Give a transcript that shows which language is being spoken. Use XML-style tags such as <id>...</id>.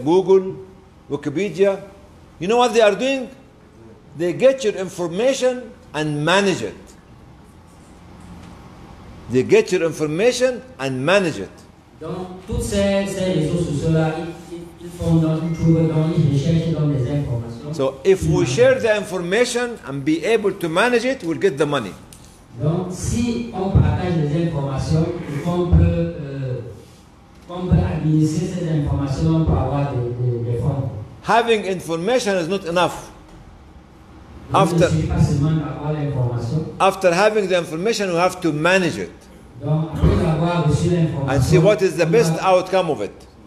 <en>Google, Wikipedia. You know what they are doing? They get your information and manage it. They get your information and manage it.</en> <fr>Donc, tous ces réseaux sociaux-là, ils font donc, ils trouvent donc, ils recherchent donc des informations.</fr> <en>So, if we share the information and be able to manage it, we'll get the money.</en> <fr>Donc, si on partage les informations, on peut administrer ces informations pour avoir des fonds.</fr> <en>Having information is not enough. After having the information, we have to manage it and see what is the best outcome of it.</en>